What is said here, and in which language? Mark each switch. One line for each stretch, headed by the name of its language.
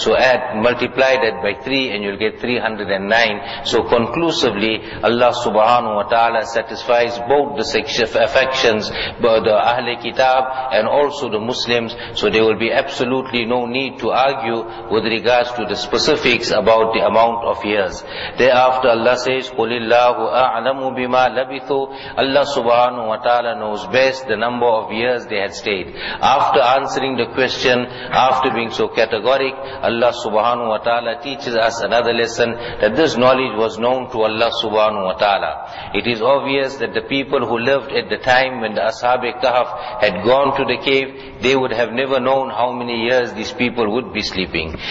English: So add, multiply that by 3 and you'll get 309. So conclusively, Allah subhanahu wa ta'ala satisfies both the sexual affections, both the Ahle Kitab and also the Muslims. So there will be absolutely no need to argue with regards to the specifics about the amount of years. Thereafter Allah says,
Arabic: قُلِ اللَّهُ أَعْلَمُ بِمَا لَبِثُوا.
English: Allah subhanahu wa ta'ala knows best the number of years they had stayed. After answering the question, after being so categoric, Allah subhanahu wa ta'ala teaches us another lesson, that this knowledge was known to Allah subhanahu wa ta'ala. It is obvious that the people who lived at the time when the Ashabi Kahf had gone to the cave, they would have never known how many years these people would be sleeping.